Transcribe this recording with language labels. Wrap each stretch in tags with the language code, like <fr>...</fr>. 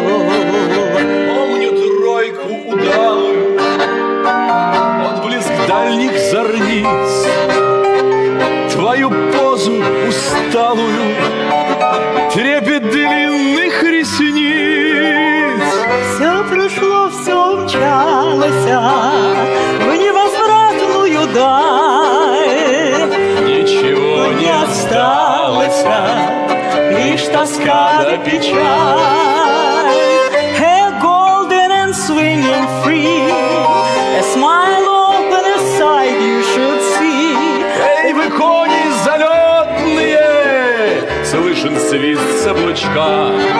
<ru>помню тройку удалую, отблеск дальних зорниц, твою позу усталую, трепет длинных ресниц. Все прошло, все умчалося в невозвратную даль. Ничего не осталось, лишь тоска да печаль.</ru> <en>Hair golden and swinging free, a smile open, a sight you should see.</en> <ru>Эй, вы кони залетные, слышен свист с облучка.</ru>